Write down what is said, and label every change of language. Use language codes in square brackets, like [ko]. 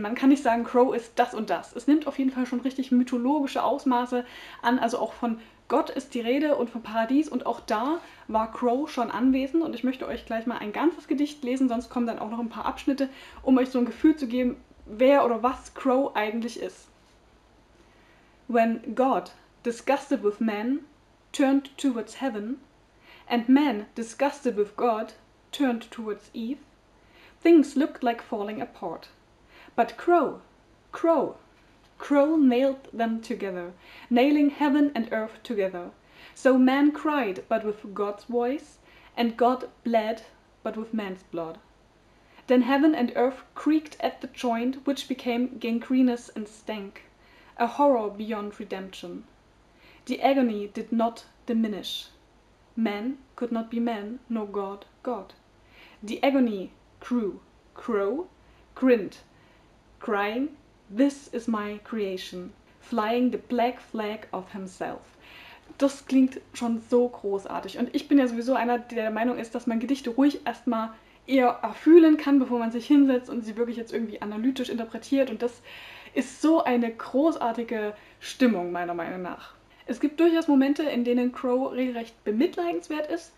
[de] Man kann nicht sagen, Crow ist das und das. Es nimmt auf jeden Fall schon richtig mythologische Ausmaße an, also auch von Gott ist die Rede und vom Paradies, und auch da war Crow schon anwesend. Und ich möchte euch gleich mal ein ganzes Gedicht lesen, sonst kommen dann auch noch ein paar Abschnitte, um euch so ein Gefühl zu geben, wer oder was Crow eigentlich ist. [en] When God, disgusted with man, turned towards heaven, and man, disgusted with God, turned towards Eve, things looked like falling apart. But Crow nailed them together, nailing heaven and earth together. So man cried, but with God's voice, and God bled, but with man's blood. Then heaven and earth creaked at the joint, which became gangrenous and stank, a horror beyond redemption. The agony did not diminish. Man could not be man, nor God God. The agony grew. Crow grinned, crying, "This is my creation, flying the black flag of himself." [de] Das klingt schon so großartig. Und ich bin ja sowieso einer, der Meinung ist, dass man Gedichte ruhig erstmal eher erfühlen kann, bevor man sich hinsetzt und sie wirklich jetzt irgendwie analytisch interpretiert. Und das ist so eine großartige Stimmung, meiner Meinung nach. Es gibt durchaus Momente, in denen Crow regelrecht bemitleidenswert ist.